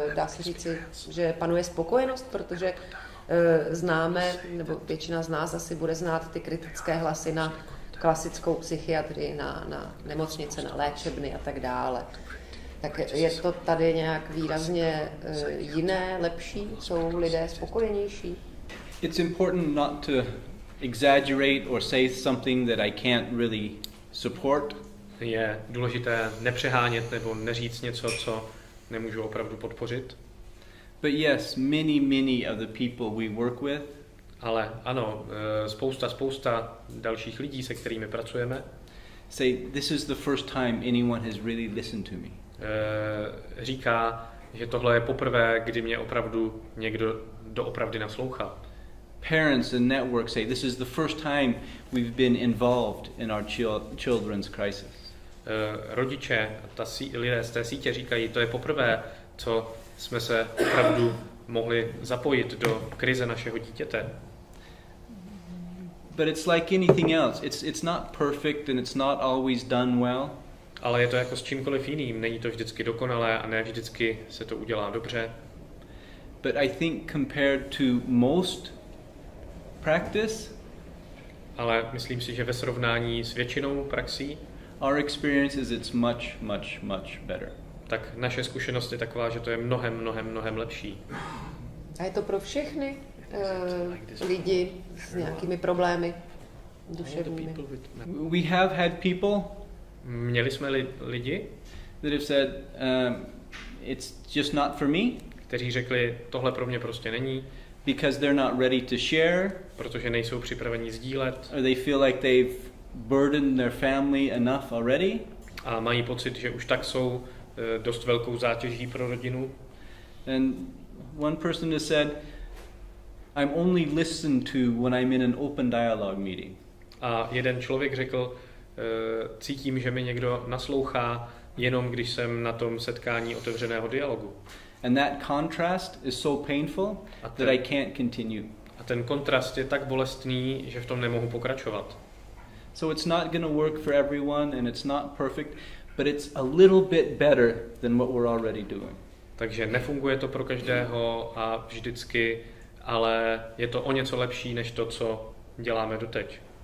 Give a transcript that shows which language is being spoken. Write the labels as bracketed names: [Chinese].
[Czech] Dá se říci, že panuje spokojenost, protože známe, nebo většina z nás asi bude znát ty kritické hlasy na klasickou psychiatrii, na nemocnice, na léčebny a tak dále. Tak je to tady nějak výrazně jiné, lepší? Jsou lidé spokojenější? [English] It's important not to exaggerate or say something that I can't really support. [Czech] Je důležité nepřehánět nebo neříct něco, co nemůžu opravdu podpořit. [English] But yes, many, many of the people we work with. [Czech] Ale ano, spousta dalších lidí, se kterými pracujeme. [English] Say, this is the first time anyone has really listened to me. [Czech] Říká, že tohle je poprvé, kdy mě opravdu někdo doopravdy naslouchá. [English] Parents and network say, this is the first time we've been involved in our children's crisis. [Czech] Rodiče a lidé z té sítě říkají, to je poprvé, co jsme se opravdu mohli zapojit do krize našeho dítěte. [English] But it's like anything else. It's not perfect and it's not always done well. [Czech] Ale je to jako s čímkoliv jiným. Není to vždycky dokonalé a ne vždycky se to udělá dobře. [English] But I think compared to most practice, [Czech] ale myslím si, že ve srovnání s většinou praxí, [English] our experience is it's much, much, much better. [Czech] Tak naše zkušenost je taková, že to je mnohem, mnohem, mnohem lepší. A je to pro všechny lidi s nějakými problémy duševními? [English] We have had people. [Czech] Měli jsme lidi, [English] that have said, it's just not for me. [Czech] Kteří řekli, tohle pro mě prostě není. [English] Because they're not ready to share. [Czech] Protože nejsou připraveni sdílet. [English] Or they feel like they've burdened their family enough already. [Czech] A mají pocit, že už tak jsou dost velkou zátěží pro rodinu. [English] And one person has said, I'm only listened to when I'm in an open dialogue meeting. [Czech] A jeden člověk řekl, cítím, že mi někdo naslouchá jenom když jsem na tom setkání otevřeného dialogu. [English] And that contrast is so painful that I can't continue. [Czech] A ten kontrast je tak bolestný, že v tom nemohu pokračovat. [English] So it's not going to work for everyone and it's not perfect. But it's a little bit better than what we're already doing. [Czech] Takže nefunguje to pro každého a vždycky, ale je to o něco lepší než to, co děláme doteď.